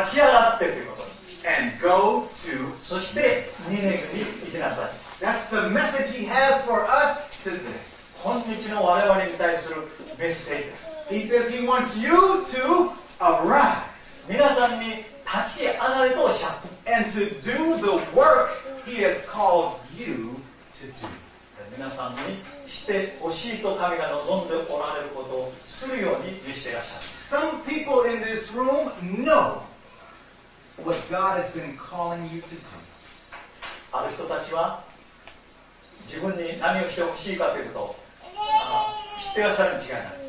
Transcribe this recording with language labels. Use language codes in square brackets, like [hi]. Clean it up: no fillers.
[ja] 立ち上がってということ。 [en] And go to [ja] そしてニネベに行きなさい。 [en] That's the message he has for us today. [ja] 今日の我々に対するメッセージです。 [en] He says he wants you to arise. [ja] 皆さんに立ち上がれとおっしゃって。 [en] And to do the work he has called you to do. [ja] 皆さんにしてほしいと神が望んでおられることをするように見せていらっしゃる。 [en] Some people in this room know what God has been calling you to do. [ja] ある人たちは自分に何をしてほしいかというと、知ってらっしゃるに違いない。